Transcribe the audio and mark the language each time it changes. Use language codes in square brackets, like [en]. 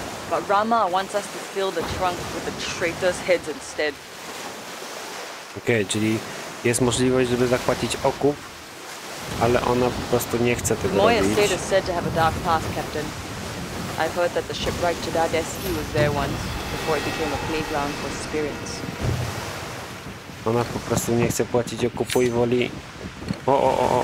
[en] But Rama wants us to fill the trunk with the traitor's heads instead. [pl] Okej, czyli jest możliwość, żeby zapłacić okup, ale ona po prostu nie chce tego Moya robić. [en] Moya is said to have a dark past, Captain. I've heard that the shipwright Chidadeski was there once, before it became a playground for spirits. [pl] Ona po prostu nie chce płacić okupu i woli... O!